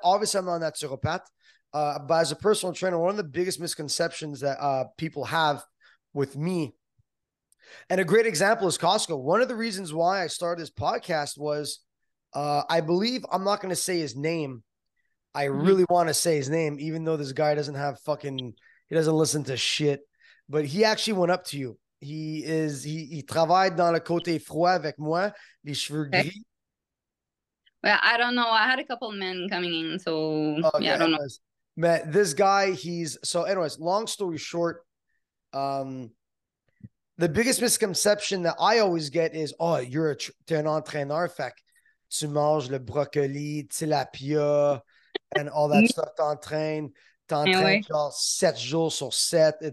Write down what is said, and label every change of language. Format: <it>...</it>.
<en>Obviously, I'm not a naturopath, but as a personal trainer, one of the biggest misconceptions that people have with me, and a great example is Costco. One of the reasons why I started this podcast was, I believe, I'm not going to say his name. I really want to say his name, even though this guy doesn't have fucking, he doesn't listen to shit. But he actually went up to you.</en> <fr>He travailled dans le côté froid avec moi, les cheveux gris.</fr> <en>Well, I don't know. I had a couple of men coming in, so I don't know. Man, this guy, anyways, long story short, the biggest misconception that I always get is, oh,</en> <fr>t'es un entraîneur, fait tu manges le brocoli, tilapia,</fr> <en>and all that stuff,</en> <fr>t'entraînes genre 7 jours sur 7.</fr>